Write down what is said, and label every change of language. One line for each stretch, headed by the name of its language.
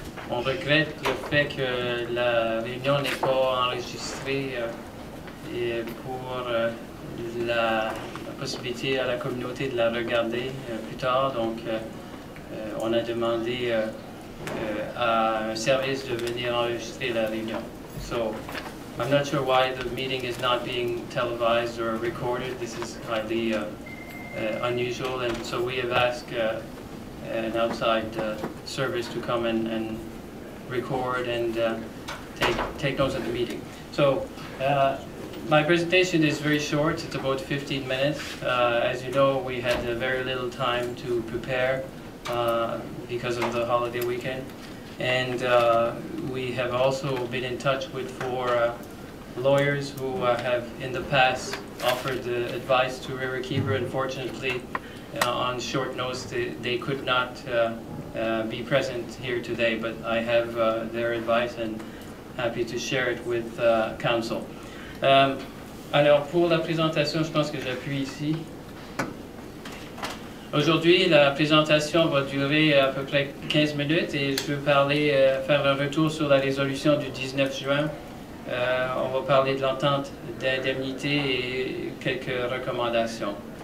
French: On regrette le fait que la réunion n'est pas enregistrée et pour la possibilité à la communauté de la regarder plus tard. Donc on a demandé à un service de venir enregistrer la réunion.
English: So, I'm not sure why the meeting is not being televised or recorded. This is highly unusual, and so we have asked an outside service to come and record and take notes of the meeting. So, my presentation is very short. It's about 15 minutes. As you know, we had very little time to prepare because of the holiday weekend. And we have also been in touch with four lawyers who have in the past offered advice to Riverkeeper. Unfortunately, on short notice, they could not be present here today, but I have their advice and happy to share it with council.
French: Alors, pour la présentation, je pense que j'appuie ici. Aujourd'hui, la présentation va durer à peu près 15 minutes et je veux parler, faire un retour sur la résolution du 19 juin. On va parler de l'entente d'indemnité et quelques recommandations.